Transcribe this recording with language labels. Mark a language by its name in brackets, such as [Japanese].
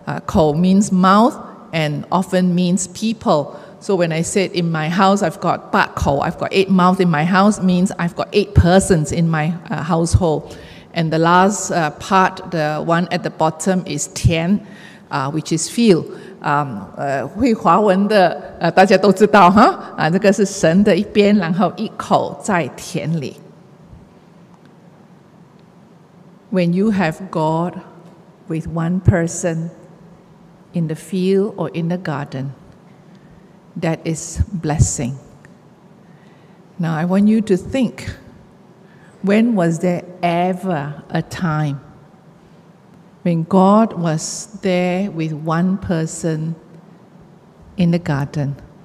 [English] Ko means mouth and often means people. So when I said in my house, I've got ba ko, I've got eight mouths in my house, means I've got eight persons in my household. And the last part, the one at the bottom, is tian, which is feel. [Chinese] 会华文的大家都知道, huh? 这个是神的一边, 然后一口在田里。 [English] When you have God with one person in the field or in the garden, that is blessing. Now I want you to think, when was there ever a time when God was there with one person in the garden?